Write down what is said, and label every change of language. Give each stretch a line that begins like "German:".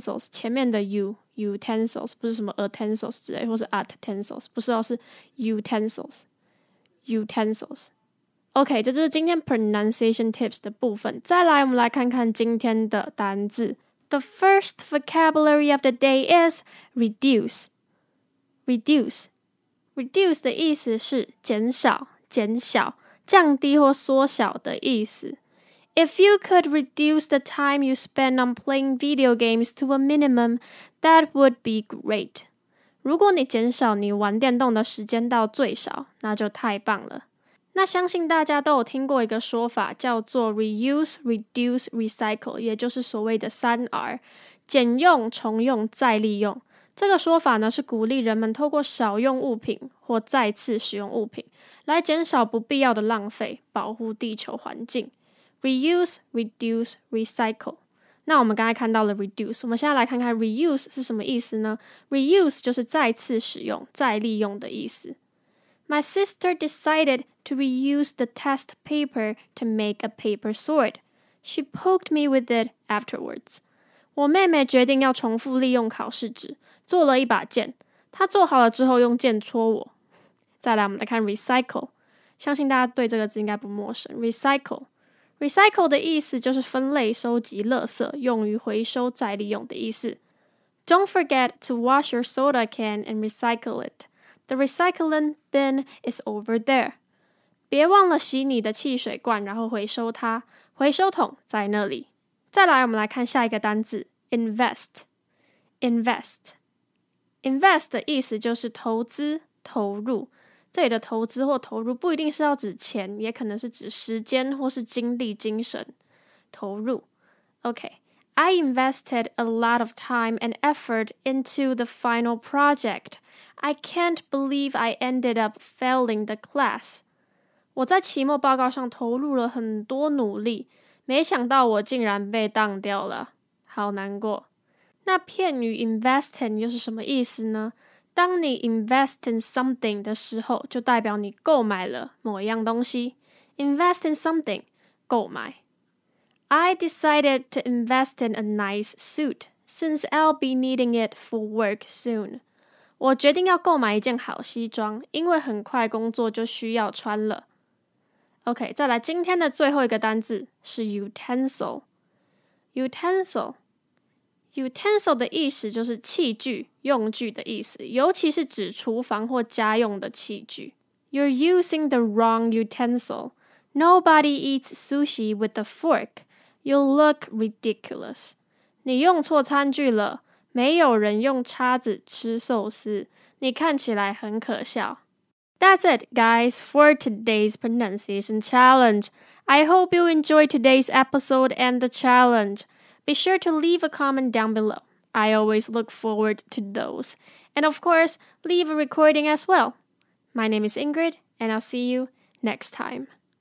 Chinese: 前面的 Utensils 不是什么 Utensils 之类或是 Utensils 不是哦是 Utensils OK 这就是今天 Pronunciation Tips 的部分再来我们来看看今天的单字
English: The first vocabulary of the day is reduce. Reduce.
Chinese: Reduce 的意思是减小,降低或缩小的意思。
English: If you could reduce the time you spend on playing video games to a minimum, that would be great.
Chinese: 如果你减少你玩电动的时间到最少,那就太棒了。那相信大家都有听过一个说法叫做
English: reuse, reduce, recycle,
Chinese: 也就是所谓的三 R, 减用、重用、再利用。这个说法呢是鼓励人们透过少用物品或再次使用物品来减少不必要的浪费保护地球环境。
English: Reuse, reduce, recycle.
Chinese: 那我们刚才看到了 reduce, 我们现在来看看 reuse 是什么意思呢 ?Reuse 就是再次使用、再利用的意思。
English: My sister decided to reuse the test paper to make a paper sword. She poked me with it afterwards.
Chinese: 我妹妹决定要重复利用考试纸做了一把剑她做好了之后用剑戳我。再来我们来看 recycle。相信大家对这个字应该不陌生 ,recycle。 Recycle 的意思就是分类收集垃圾用于回收再利用的意思。
English: Don't forget to wash your soda can and recycle it. The recycling bin is over there.
Chinese: 别忘了洗你的汽水罐然后回收它。回收桶在那里。再来我们来看下一个单字 ,invest。 Invest 的意思就是投资、投入。这里的投资或投入不一定是要指钱，也可能是指时间或是精力、精神投入。
English: OK, I invested a lot of time and effort into the final project. I can't believe I ended up failing the class.
Chinese: 我在期末报告上投入了很多努力，没想到我竟然被当掉了，好难过。那片语 invest in 又是什么意思呢？当你 invest in something 的时候，就代表你购买了某一样东西。
English: invest in something,
Chinese: 购买。
English: I decided to invest in a nice suit, since I'll be needing it for work soon.
Chinese: 我决定要购买一件好西装，因为很快工作就需要穿了。 OK, 再来今天的最后一个单字是 utensil。 utensil。 Utensil 的意思就是器具、用具的意思，尤其是指厨房或家用的器具。
English: You're using the wrong utensil. Nobody eats sushi with a fork. You'll look ridiculous.
Chinese: 你用错餐具了，没有人用叉子吃寿司，你看起来很可笑。
English: That's it, guys, for today's pronunciation challenge. I hope you enjoyed today's episode and the challenge. Be sure to leave a comment down below. I always look forward to those. And of course, leave a recording as well. My name is Ingrid, and I'll see you next time.